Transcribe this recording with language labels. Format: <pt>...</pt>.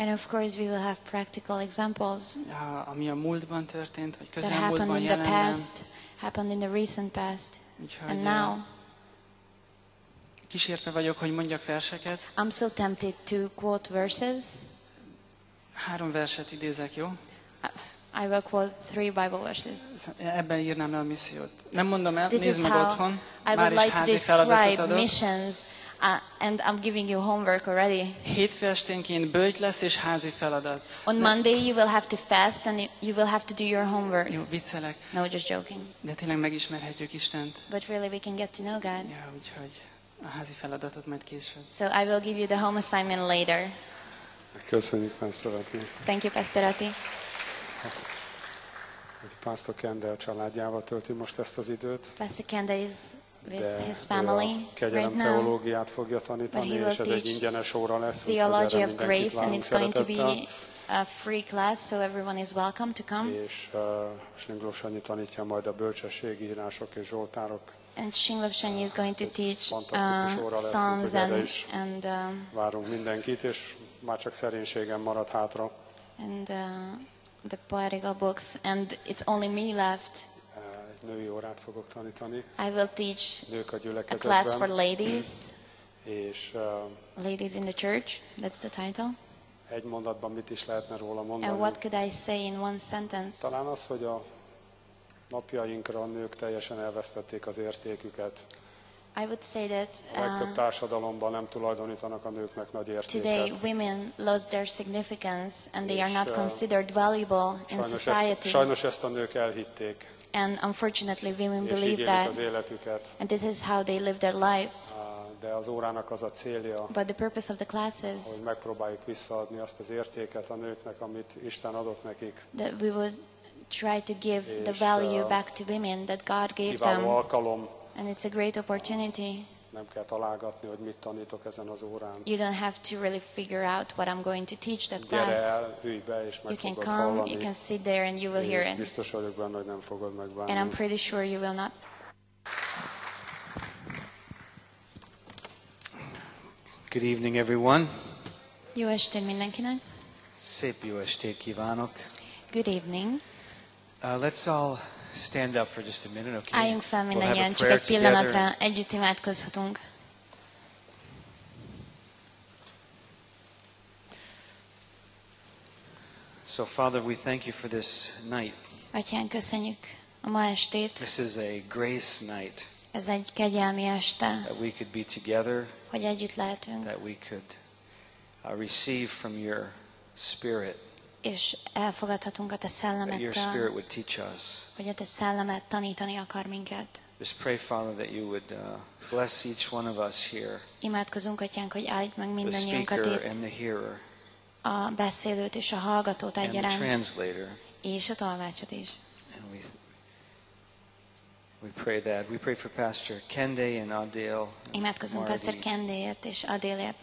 <en>And of course we will have practical examples.</en> <hu>Ami a múltban történt, vagy közelmúltban jelenben.</hu> <en>That happened in The past, happened in the recent past.</en> <hu>Úgyhogy</hu> <en>and now.</en> <hu>Kísértve vagyok, hogy mondjak verseket.</hu> <en>I'm so tempted to quote verses.</en> <hu>Három verset idézek, jó?</hu> <en>I will quote three Bible verses.</en> <hu>Ebben írnám le a missziót. Nem mondom el, nézd meg otthon.</hu> <en>I would like to describe missions, and I'm giving you homework already.</en> <hu>Hétfesténként bőjt lesz és házi feladat.</hu> <en>On Monday you will have to fast and you will have to do your homework.</en> <hu>Jó, viccelek.</hu> <en>No, just joking.</en> <hu>De tényleg megismerhetjük Istent.</hu> <en>But really we can get to know God.</en> <hu>Ja, úgyhogy. A házi feladatot majd később.</hu> <en>So I will give you the home assignment later.</en> <hu>Köszönjük, Pastor Ati.</hu> <en>Thank you, Pastor Ati.</en> <hu>Pastor Kendall családjával tölti most ezt az időt.</hu> <en>Pastor Kendall is with his family right now.</en> <hu>Kegyelem teológiát fogja tanítani, és ez egy ingyenes óra lesz.</hu> <en>Theology of grace, and it's going to be a free class, so everyone is welcome to come.</en> <hu>És Slinglov Sanyi tanítja majd a bölcsességi írások és zsoltárok.</hu> <en>And Shinglov Shanyi is going to teach songs and</en> <hu>várunk mindenkit, és már csak szerénységem maradt hátra.</hu> <en>And the poetical books, and it's only me left.</en> <hu>Egy női órát fogok tanítani.</hu> <en>I will teach a class for ladies.</en> <hu>És</hu> <en>ladies in the church, that's the title.</en> <hu>Egy mondatban mit is lehetne róla mondani?</hu> <en>And what could I say in one sentence?</en> <hu>Talán az, hogy a napjainkra a nők teljesen elvesztették az értéküket.</hu> <en>I would say that,</en> <hu>a legtöbb társadalomban nem tulajdonítanak a nőknek nagy értéket.</hu> <en>Today women lost their significance and they are not considered valuable in society.</en> <hu>Sajnos ezt a nők elhitték.</hu> <en>And unfortunately women</en> <hu>és</hu> <en>believe that.</en> <hu>Az életüket.</hu> <en>And this is how they live their lives.</en> <hu>De az órának az a célja,</hu> <en>but the purpose of the class is,</en> <hu>hogy megpróbáljuk visszaadni azt az értéket a nőknek, amit Isten adott nekik.</hu> <en>That we would try to give the value back to women that God gave them.</en> <hu>Kiváló alkalom.</hu> <en>And it's a great opportunity.</en> <hu>Nem kell találgatni, hogy mit tanítok ezen az órán.</hu> <en>You don't have to really figure out what I'm going to teach that</en> <hu>gyere</hu> <en>class.</en> <hu>El, hűj be, és meg</hu> <en>you can come,</en> <hu>hallani,</hu> <en>you can sit there and you will hear it.</en> <hu>Biztos vagyok benne, hogy nem fogod megbánni.</hu> <en>And I'm pretty sure you will not. Good evening, everyone.</en> <hu>Jó estét mindenkinek. Szép jó estét kívánok.</hu> <en>Good evening. Let's all stand up for just a minute, okay?</en> <hu>Álljunk fel mindannyian, csak egy pillanatra együtt imádkozhatunk.</hu> <en>So, Father, we thank you for this night.</en> <hu>Atyán, köszönjük a ma estét.</hu> <en>This is a grace night.</en> <hu>Ez egy kegyelmi este.</hu> <en>That we could be together.</en> <hu>Hogy együtt lehetünk.</hu> <en>That we could receive from your spirit.</en> <hu>És elfogadhatunk a te szellemettel.</hu> <en>That your spirit would teach us.</en> <hu>Hogy a te szellemet tanítani akar minket.</hu> <en>Just pray, Father, that you would bless each one of us here.</en> <hu>Imádkozunk, Atyánk, hogy áld meg mindannyiunkat itt.</hu> <en>The speaker and the hearer.</en> <hu>A beszélőt és a hallgatót egyaránt.</hu> <en>And the translator.</en> <hu>És a tolmácsot is.</hu> <en>And we pray that. We pray for Pastor Kende and Adele.</en> <hu>Imádkozunk Pastor Kendéért és Adéleért,</hu>